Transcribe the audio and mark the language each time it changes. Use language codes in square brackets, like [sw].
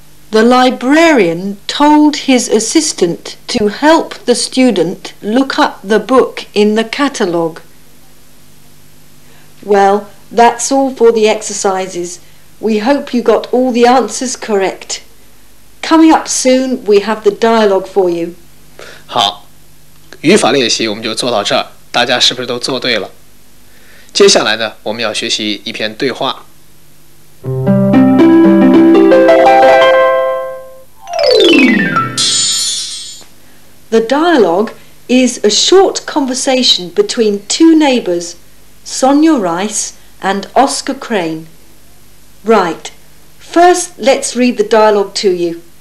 [en] The librarian told his assistant to help the student look up the book in the catalogue. Well, that's all for the exercises. We hope you got all the answers correct. Coming up soon, we have the dialogue for you. [zh] 好，语法练习我们就做到这儿。大家是不是都做对了？接下来呢，我们要学习一篇对话。 [en] The dialogue is a short conversation between two neighbors, Sonia Rice and Oscar Crane. Right. First, let's read the dialogue to you.